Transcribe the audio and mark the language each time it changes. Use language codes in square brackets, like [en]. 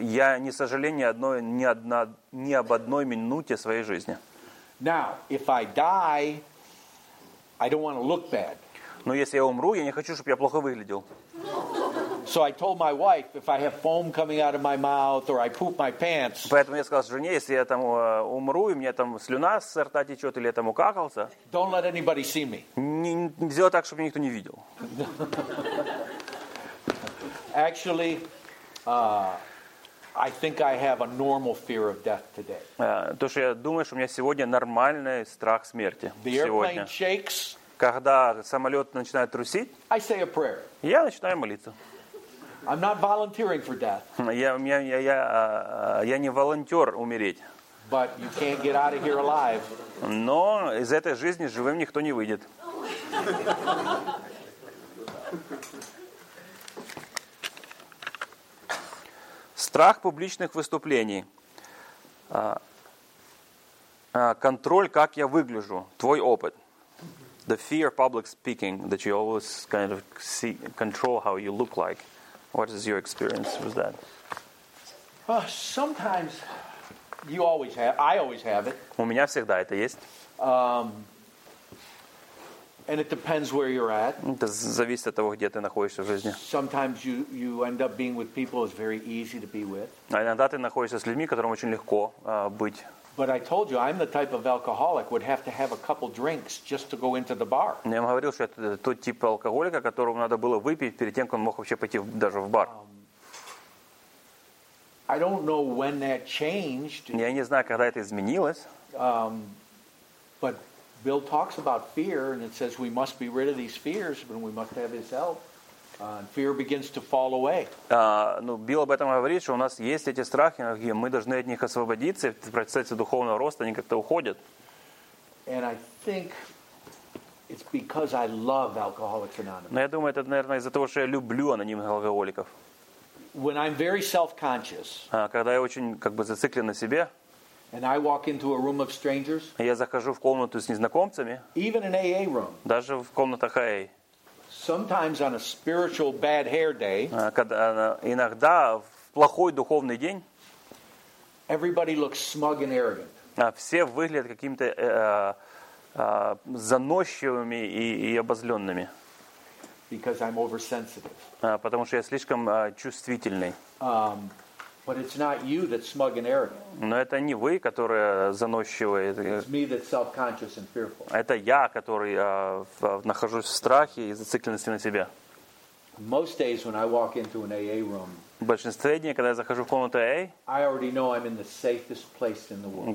[ru] Я не сожалею ни об одной минуте своей жизни. [en] Now, if I die, I don't want to look bad. [ru] Но если я умру, я не хочу, чтобы я плохо выглядел. [en] So I told my wife, if I have foam coming out of my mouth or I poop my pants. [ru] Поэтому я сказал жене, если я там умру и мне там слюна с рта течет или я там укакался. [en] Don't let anybody see me. [ru] Не сделай так, чтобы никто не видел. [en] Actually, I think I have a normal fear of death today. [ru] То, что я думаю, что у меня сегодня нормальный страх смерти. [en] The airplane shakes. [ru] когда самолет начинает трусить, [en] I say a prayer. [ru] Я начинаю молиться. [en] I'm not volunteering for death. [ru] Я не волонтер умереть. [en] But you can't get out of here alive. [ru] Но из этой жизни живым никто не выйдет. Страх публичных выступлений. Контроль, как я выгляжу. Твой опыт. [en] The fear of public speaking, that you always kind of see, control how you look like. What is your experience with that? Sometimes you always have. I always have it. [ru] У меня всегда это есть. [en] And it depends where you're at. [ru] Это зависит от того, где ты находишься в жизни. [en] Sometimes you end up being with people it's very easy to be with. [ru] А иногда ты находишься с людьми, которым очень легко быть. [en] But I told you I'm the type of alcoholic would have to have a couple drinks just to go into the bar. [ru] Я вам говорил, что это тот тип алкоголика, которому надо было выпить перед тем, как он мог вообще пойти даже в бар. [en] I don't know when that changed. [ru] Я не знаю, когда это изменилось. [en] But Bill talks about fear and it says we must be rid of these fears when we must have his help. Fear begins to fall away. [ru] Билл об этом говорит, что у нас есть эти страхи, и мы должны от них освободиться, в процессе духовного роста они как-то уходят. [en] And I think it's because I love Alcoholics Anonymous. [ru] Но я думаю, это, наверное, из-за того, что я люблю анонимных алкоголиков. [en] When I'm very self-conscious, [ru] когда я очень как бы зациклен на себе, [en] and I walk into a room of strangers, [ru] я захожу в комнату с незнакомцами, [en] even an AA room, [ru] даже в комнатах AA, [en] sometimes on a spiritual bad hair day, [ru] когда иногда в плохой духовный день, [en] everybody looks smug and arrogant. [ru] Все выглядят какими-то заносчивыми и обозленными. [en] Because I'm oversensitive. [ru] Потому что я слишком чувствительный. [en] But it's not you that's smug and arrogant. [ru] Но это не вы, которые заносчивые. [en] It's me that's self-conscious and fearful. [ru] Это я, который нахожусь в страхе и зацикленности на себе. [en] Most days when I walk into an AA room, [ru] в большинстве дней, когда я захожу в комнату AA, [en] I already know I'm in the safest place in the world.